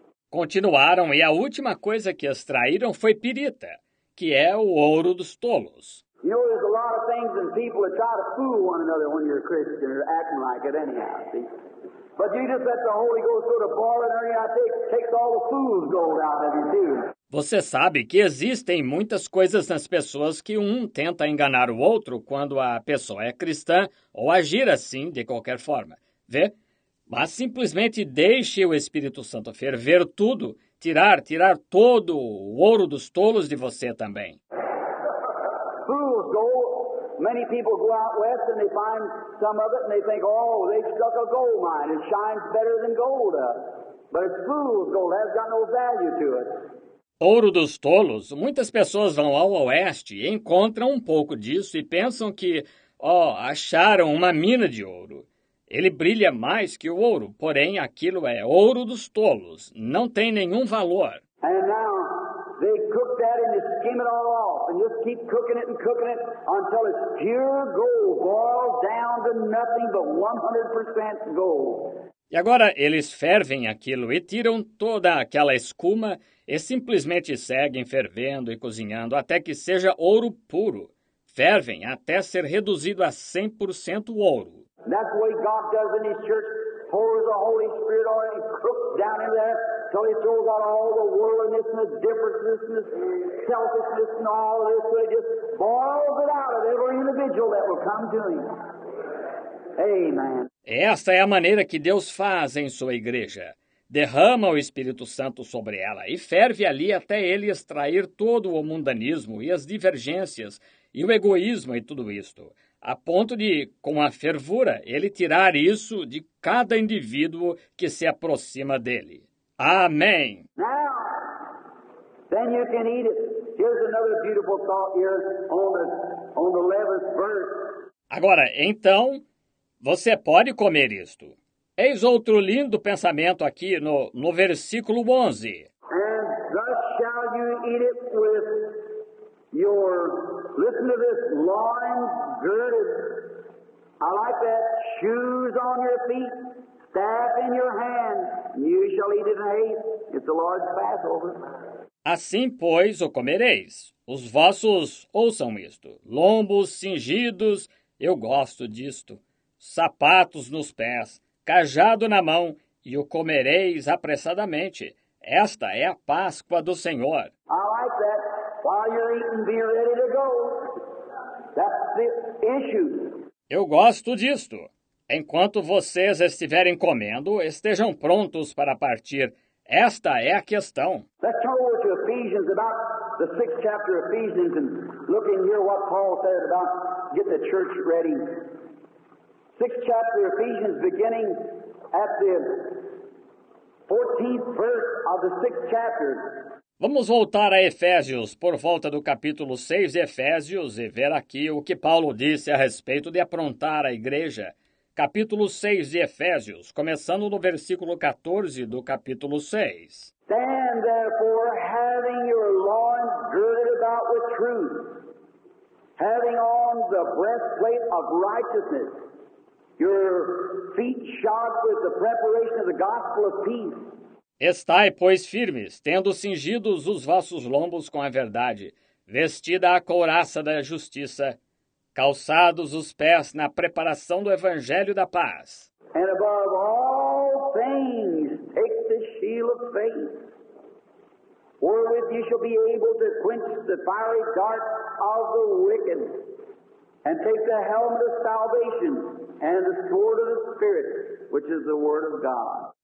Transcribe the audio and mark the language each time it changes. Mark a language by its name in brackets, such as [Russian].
[Portuguese] Continuaram e a última coisa que extraíram foi pirita, que é o ouro dos tolos. [English] You know, there's a lot of things and people that try to fool one another when you're a Christian or acting like it anyhow, see? But you just let the Holy Ghost sort of boil it and it takes all the fool's gold out of you, too. [Portuguese] Você sabe que existem muitas coisas nas pessoas que um tenta enganar o outro quando a pessoa é cristã ou agir assim de qualquer forma, vê? Mas simplesmente deixe o Espírito Santo ferver tudo, tirar todo o ouro dos tolos de você também. [English] Fools gold. Many people go out west and they find some of it and they think, oh, they struck a gold mine. It shines better than gold does. But it's fool's gold. It has got no value to it. [Portuguese] Ouro dos tolos. Muitas pessoas vão ao oeste e encontram um pouco disso e pensam que, acharam uma mina de ouro. Ele brilha mais que o ouro, porém aquilo é ouro dos tolos. Não tem nenhum valor. [English] And now, they cook that and they skim it all off and just keep cooking it and cooking it until it's pure gold, boils down to nothing but 100% gold. [Portuguese] E agora eles fervem aquilo e tiram toda aquela escuma e simplesmente seguem fervendo e cozinhando até que seja ouro puro. Fervem até ser reduzido a 100% ouro. [English] That's the way God does in His church. Pours the Holy Spirit on and cooks down in there. So he throws out all the worldliness and the differences and the selfishness and all of this. So he just boils it out of every individual that will come to him. Amen. [Portuguese] Esta é a maneira que Deus faz em sua igreja. Derrama o Espírito Santo sobre ela e ferve ali até ele extrair todo o mundanismo e as divergências e o egoísmo e tudo isto, a ponto de, com a fervura, ele tirar isso de cada indivíduo que se aproxima dele. Amém. [English] Now, then you can eat it. Here's another beautiful thought here on the 11th verse. [Portuguese] Agora, então, você pode comer isto. Eis outro lindo pensamento aqui no versículo 11. [English] And thus shall you eat it with listen to this, loins girded. I like that. Shoes on your feet, staff in your hand, you shall eat it in haste. It's the Lord's Passover. [Portuguese] Assim, pois, o comereis. Os vossos, ouçam isto, lombos cingidos, eu gosto disto, sapatos nos pés, cajado na mão, e o comereis apressadamente. Esta é a Páscoa do Senhor. [English] I like that. While you're eating, be ready to go. That's the issue. [Portuguese] Eu gosto disto. Enquanto vocês estiverem comendo, estejam prontos para partir. Esta é a questão. [English] Let's turn over to Ephesians, about the 6th chapter of Ephesians, and look in here what Paul said about get the church ready. 6th chapter of Ephesians, beginning at the 14th verse of the 6th chapter. [Portuguese] Vamos voltar a Efésios, por volta do capítulo 6 de Efésios, e ver aqui o que Paulo disse a respeito de aprontar a igreja. Capítulo 6 de Efésios, começando no versículo 14 do capítulo 6. [English] Stand therefore, having your loins girded about with truth, having on the breastplate of righteousness, your feet shod with the preparation of the gospel of peace. [Portuguese] Estai, pois, firmes, tendo cingidos os vossos lombos com a verdade, vestida a couraça da justiça, calçados os pés na preparação do Evangelho da Paz. [English] And above all things, take the shield of faith, wherewith you shall be able to quench the fiery darts of the wicked, and take the helmet of salvation, and the sword of the Spirit, which is the Word of God.